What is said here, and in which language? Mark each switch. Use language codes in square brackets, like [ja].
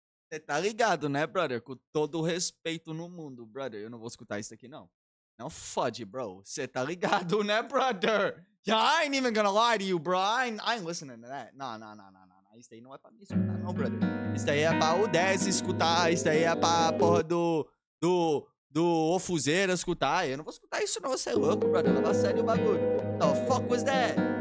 [pt] Você tá ligado, né, brother? Com todo o respeito no mundo, brother. Eu não vou escutar isso aqui, não. Não fode, bro. Você tá ligado, né, brother? [en] Yeah, I ain't even gonna lie to you, bro. I ain't listening to that. [pt] Não. Isso aí não é pra mim escutar, não, brother. Isso aí é pra o Dez escutar. Isso aí é pra porra do Ofuzeira escutar. Eu não vou escutar isso, não. Você é louco, brother. Leva a sério o bagulho. [en] What the fuck was that?